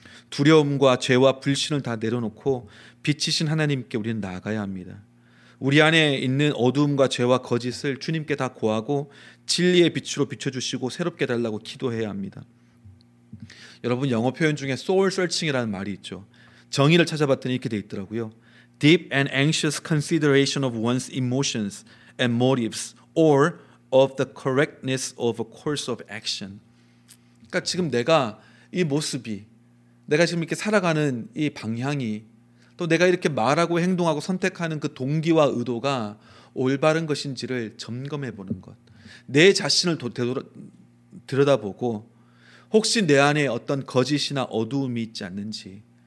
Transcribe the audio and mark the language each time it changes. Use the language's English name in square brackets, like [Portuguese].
[Korean] 두려움과 죄와 불신을 다 내려놓고 빛이신 하나님께 우리는 나아가야 합니다. 우리 안에 있는 어두움과 죄와 거짓을 주님께 다 고하고 진리의 빛으로 비춰주시고 새롭게 달라고 기도해야 합니다. 여러분, 영어 표현 중에 soul searching이라는 말이 있죠. 정의를 찾아봤더니 이렇게 되어 있더라고요. [English] Deep and anxious consideration of one's emotions and motives or of the correctness of a course of action. [Korean] 그러니까 지금 내가 이 모습이, 내가 지금 이렇게 살아가는 이 방향이, 또 내가 이렇게 말하고 행동하고 선택하는 그 동기와 의도가 올바른 것인지를 점검해 보는 것. 내 자신을 들여다보고 혹시 내 안에 어떤 거짓이나 어두움이 있지 않는지.